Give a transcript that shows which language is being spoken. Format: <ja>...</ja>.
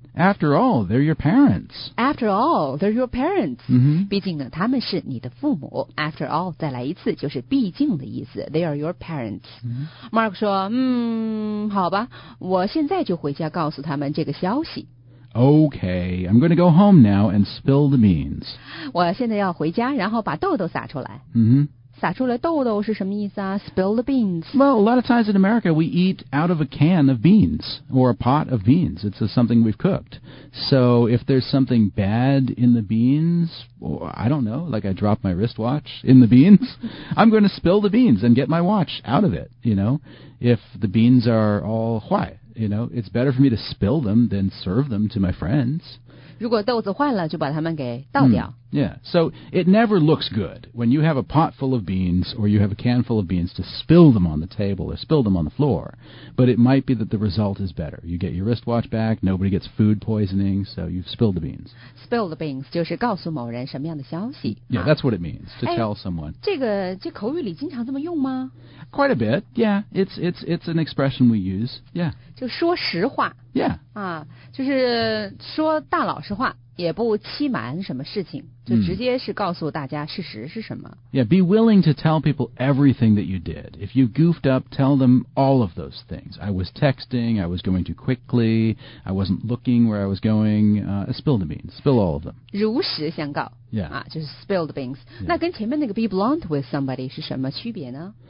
<en>After all, they're your parents. After all, they're your parents.、 Mm-hmm.</en> <zh>毕竟呢，他们是你的父母。</zh> <en>After all,</en> <zh>再来一次就是毕竟的意思。</zh> <en>They are your parents.、 Mm-hmm.</en> <zh>Mark 说，好吧，我现在就回家告诉他们这个消息。</zh> <en>Okay, I'm going to go home now and spill the beans.</en> <zh>我现在要回家，然后把豆豆撒出来。</zh> <en>Mm-hmm.</en> <zh>撒出来豆豆是什么意思啊 ？</zh> <en>Spill the beans. Well, a lot of times in America, we eat out of a can of beans or a pot of beans. It's something we've cooked. So if there's something bad in the beans, or I don't know, like I dropped my wristwatch in the beans, I'm going to spill the beans and get my watch out of it, you know, if the beans are all white. You know, it's better for me to spill them than serve them to my friends.</en> <zh>如果豆子坏了，就把它们给倒掉。</zh> <en>Yeah, so it never looks good when you have a pot full of beans or you have a can full of beans to spill them on the table or spill them on the floor. But it might be that the result is better. You get your wristwatch back, nobody gets food poisoning, so you've spilled the beans.</en> <zh>Spill the beans 就是告诉某人什么样的消息。</zh> <en>Yeah, that's what it means, to tell someone.</en> <zh>这口语里经常这么用吗？</zh> <en>Quite a bit, yeah. It's an expression we use, yeah.</en> <zh>就说实话。</zh> <en>Yeah.</en> <zh>就是说大老实话。也不欺瞒什么事情，就直接是告诉大家事实是什么。</zh> <en>Yeah, be willing to tell people everything that you did. If you goofed up, tell them all of those things. I was texting, I was going too quickly, I wasn't looking where I was going. Spill the beans, spill all of them.</en> <zh>如实相告。</zh> <en>Yeah.</en> <zh>就是 spill the beans. Yeah. 那跟前面那个 be blunt with somebody 是什么区别呢？</zh>